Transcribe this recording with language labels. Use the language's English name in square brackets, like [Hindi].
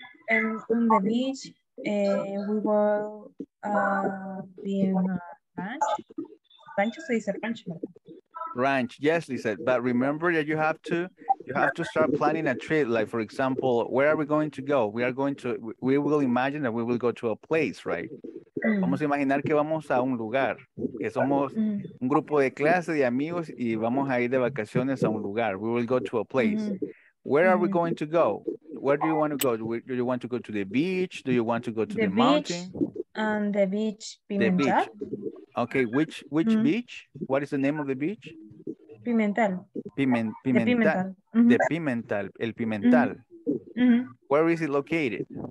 [English] And on the beach, we were being a ranch. [Spanish] Rancho se dice ranch. [English] Ranch, yes, Lisa. But remember that you have to start planning a trip. Like, for example, where are we going to go? We will imagine that we will go to a place, right? Mm. [Spanish] Vamos a imaginar que vamos a un lugar, que somos un grupo de clase, de amigos, y vamos a ir de vacaciones a un lugar. [English] We will go to a place. Mm. Where are we going to go? Where do you want to go? Do you want to go to the beach? Do you want to go to the mountain? And the beach. Pimental. The beach. Okay, which beach? What is the name of the beach? Pimental. Pimental. The Pimental. Mm-hmm. El Pimental. Mm-hmm. Where is it located?